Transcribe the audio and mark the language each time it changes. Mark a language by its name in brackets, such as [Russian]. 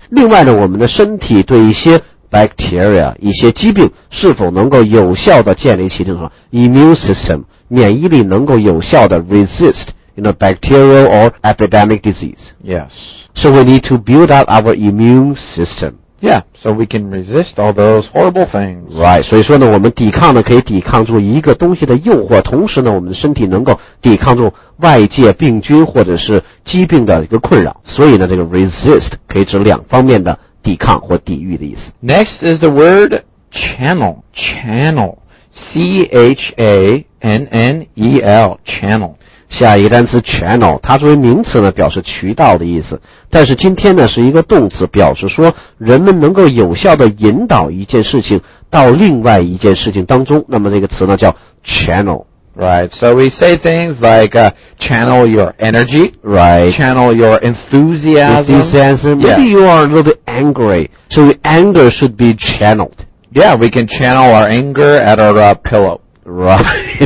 [Chinese] 另外呢我们的身体对一些bacteria, 一些疾病是否能够有效地建立起这种 immune system, 免疫力能够有效地 resist, [English] you know, bacterial or epidemic disease. Yes. So we need to build up our immune system. Yeah, so we can resist all those horrible things. [Chinese] Right, 所以说呢我们抵抗呢可以抵抗住一个东西的诱惑，同时呢我们的身体能够抵抗住外界病菌或者是疾病的一个困扰。所以呢这个 resist 可以指两方面的抵抗或抵御的意思。 [English] Next is the word channel. Channel. C-H-A-N-N-E-L. Channel. [Chinese] 下一个单词 channel, 它作为名词呢表示渠道的意思。但是今天呢是一个动词，表示说人们能够有效地引导一件事情到另外一件事情当中。那么这个词呢叫 channel。 [English] Right, so we say things like, channel your energy. Right. Channel your enthusiasm. Enthusiasm. Maybe yes. you are a little bit angry. So anger should be channeled. Yeah, we can channel our anger at our, pillow. Right.